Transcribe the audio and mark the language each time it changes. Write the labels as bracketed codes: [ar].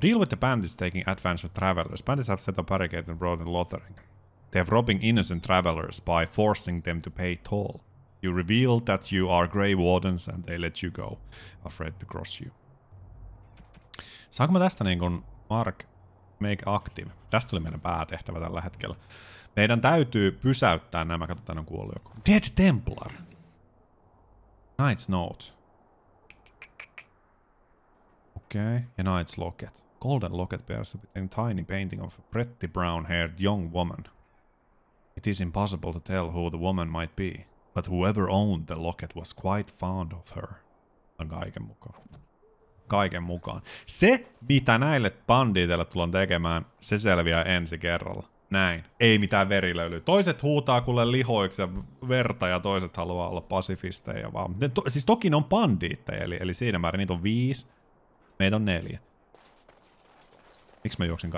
[en] Deal with the bandits taking advantage of travelers. Bandits have set up barricade and road in Lothering. They have robbing innocent travelers by forcing them to pay toll. You reveal that you are Grey Wardens and they let you go. Afraid to cross you. [fi] Saanko mä tästä niin kuin Mark Make Active? Tästä tuli meidän päätehtävä tällä hetkellä. Meidän täytyy pysäyttää nämä, katsotaan, on kuollut joku. [en] Dead Templar. Knight's Note. [fi] Okei, okay. Ja Knight's Locket. [en] Golden Locket bears a tiny painting of a pretty brown-haired young woman. It is impossible to tell who the woman might be, but whoever owned the locket was quite fond of her. [fi] On kaiken mukaan. Kaiken mukaan. Se, mitä näille banditeille tullaan tekemään, se selviää ensi kerralla. Näin. Ei mitään verilöylyä. Toiset huutaa kuule lihoiksi ja verta ja toiset haluaa olla pasifisteja vaan. Siis toki ne on bandiitteja, eli siinä määrin niitä on 5. Meitä on 4. Miksi mä juoksin?